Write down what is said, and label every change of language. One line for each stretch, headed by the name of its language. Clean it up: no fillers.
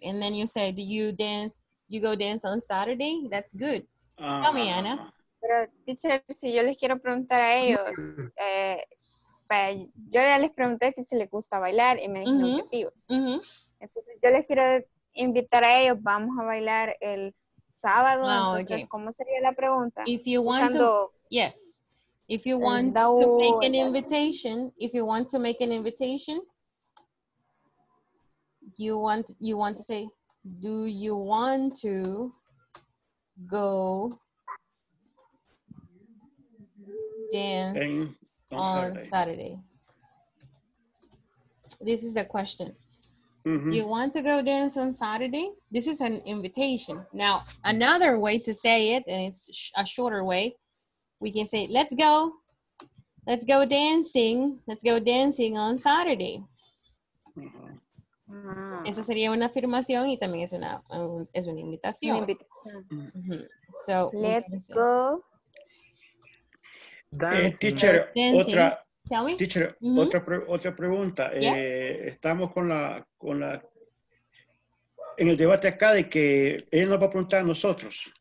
English: And then you say, do you go dance on Saturday? That's good. Tell me, Ana.
Spanish: Pero, teacher, si yo les quiero preguntar a ellos, yo ya les pregunté si les gusta bailar y me dijeron que sí. Entonces, yo les quiero invitar a ellos, vamos a bailar el sábado. Oh, entonces, okay. ¿Cómo sería la pregunta?
English: If you want to, yes. If you want to make an invitation, you want to say, do you want to go dance on Saturday? This is a question. Mm-hmm. You want to go dance on Saturday? This is an invitation. Now, another way to say it, and it's a shorter way, we can say, let's go dancing on Saturday. Mm-hmm.
Spanish: Esa sería una afirmación y también es una invitación.
English: Mm-hmm. So, let's go.
Spanish: Teacher, otra pregunta.
English: Yes.
Spanish: Estamos con la en el debate acá de que él nos va a preguntar a nosotros.